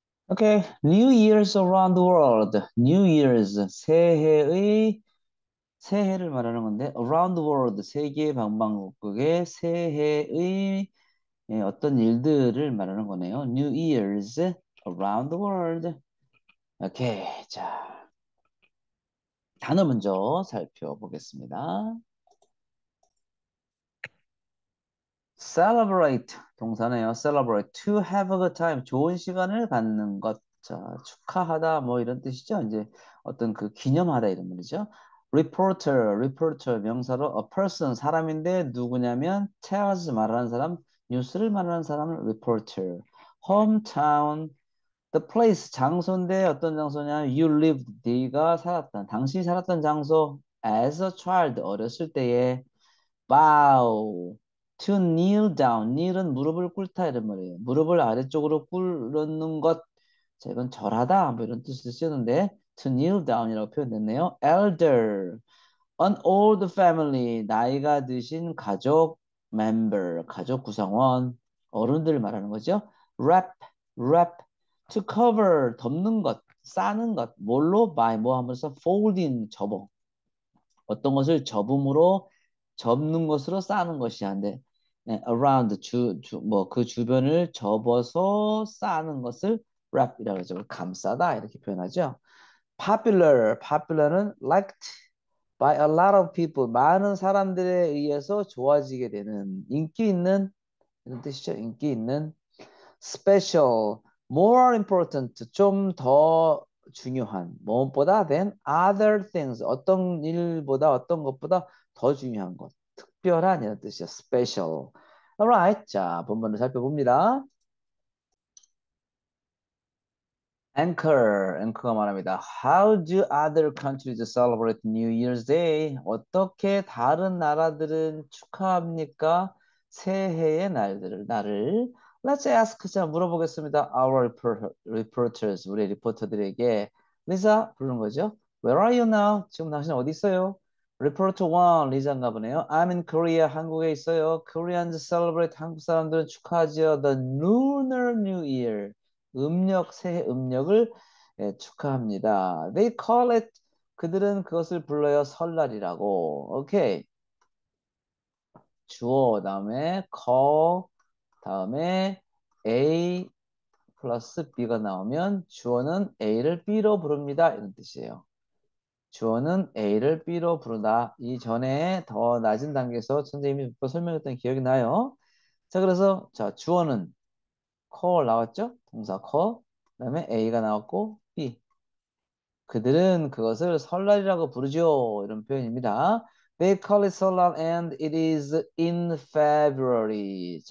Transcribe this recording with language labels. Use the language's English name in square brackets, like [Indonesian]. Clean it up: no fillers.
[English] Okay, New Year's around the world. [Korean] New Year's 새해의 새해를 말하는 건데, [English] around the world [Korean] 세계 방방곡곡의 새해의 어떤 일들을 말하는 거네요. [English] New Year's around the world. [Korean] 오케이, 자 단어 먼저 살펴보겠습니다. Celebrate 동사네요. [English] Celebrate to have a good time [Korean] 좋은 시간을 갖는 것. 자, 축하하다 뭐 이런 뜻이죠. 이제 어떤 그 기념하다 이런 말이죠. Reporter 명사로 [English] a person [Korean] 사람인데 누구냐면 tells 말하는 사람, 뉴스를 말하는 사람을 reporter. Hometown [English] the place [Korean] 장소인데 어떤 장소냐? [English] You lived [Korean] 네가 살았던 당신이 살았던 장소. [English] As a child [Korean] 어렸을 때에 [English] bow. To kneel down. [Korean] kneel은 무릎을 꿇다 이런 말이에요. 무릎을 아래쪽으로 꿇는 것. 자, 이건 절하다 뭐 이런 뜻을 쓰는데 [English] to kneel down [Korean] 이라고 표현됐네요. [English] Elder. An old family. [Korean] 나이가 드신 가족 member. 가족 구성원. 어른들을 말하는 거죠. Wrap. [English] To cover. [Korean] 덮는 것. 싸는 것. 뭘로? by 뭐 하면서 folding. 접어. 어떤 것을 접음으로 접는 것으로 싸는 것이야. 근데 네, around 뭐그 주변을 접어서 싸는 것을 wrap이라고 하죠. 감싸다 이렇게 표현하죠. [English] Popular는 liked by a lot of people. [Korean] 많은 사람들에 의해서 좋아지게 되는 인기 있는 이런 뜻이죠. 인기 있는. [English] Special, more important, [Korean] 좀더 중요한. 무엇보다 [English] than other things. [Korean] 어떤 일보다 어떤 것보다 더 중요한 것. 특별한 이런 뜻이죠. [English] Special. Alright. [Korean] 자, 본문을 살펴봅니다. Anchor가 말합니다. [English] How do other countries celebrate New Year's Day? [Korean] 어떻게 다른 나라들은 축하합니까? 새해의 날을. [English] Let's ask. [Korean] 자, 물어보겠습니다. [English] Our reporters, [Korean] 우리 리포터들에게. Lisa, 부르는 거죠. [English] Where are you now? [Korean] 지금 당신 어디 있어요? Reporter 1, 리자인가 보네요. [English] I'm in Korea, [Korean] 한국에 있어요. [English] Koreans celebrate, [Korean] 한국 사람들은 축하하지요. [English] The Lunar New Year, [Korean] 음력, 새해 음력을 축하합니다. [English] They call it, [Korean] 그들은 그것을 불러요, 설날이라고. 오케이. Okay. 주어, 다음에 call, 다음에 A 플러스 B가 나오면 주어는 A를 B로 부릅니다. 이런 뜻이에요. 주어는 A를 B로 부른다. 이전에 더 낮은 단계에서 선생님이 설명했던 기억이 나요. 자, 그래서 자 주어는 call 나왔죠? 동사 call. 그다음에 A가 나왔고 B. 그들은 그것을 설날이라고 부르죠. 이런 표현입니다. [English] They call it 설날 and it is in February.